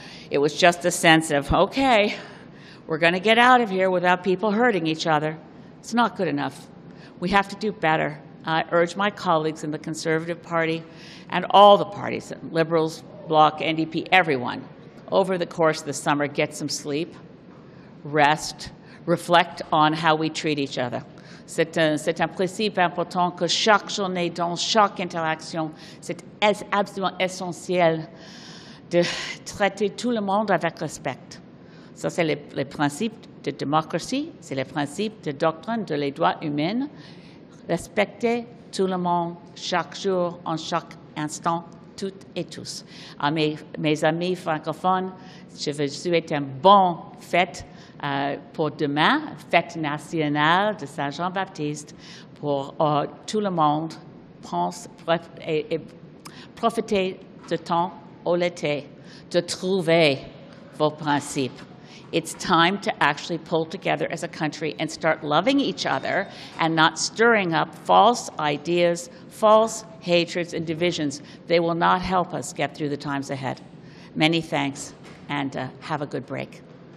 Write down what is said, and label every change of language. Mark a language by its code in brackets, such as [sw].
[en] It was just a sense of, okay, we're going to get out of here without people hurting each other. It's not good enough. We have to do better. I urge my colleagues in the Conservative Party and all the parties, Liberals, Bloc, NDP, everyone, over the course of the summer, get some sleep, rest, reflect on how we treat each other. [fr] C'est un principe important que chaque journée dans chaque interaction, c'est absolument essentiel de traiter tout le monde avec respect. Ça, c'est le principe de démocratie, c'est le principe de doctrine de les droits humains. Respecter tout le monde chaque jour, en chaque instant, toutes et tous. À mes amis francophones, je vous souhaite un bon fête pour demain, fête nationale de Saint-Jean-Baptiste, pour tout le monde, pense et profiter de temps au l'été, de trouver vos principes. [en] It's time to actually pull together as a country and start loving each other and not stirring up false ideas, false hatreds and divisions. They will not help us get through the times ahead. Many thanks, and have a good break.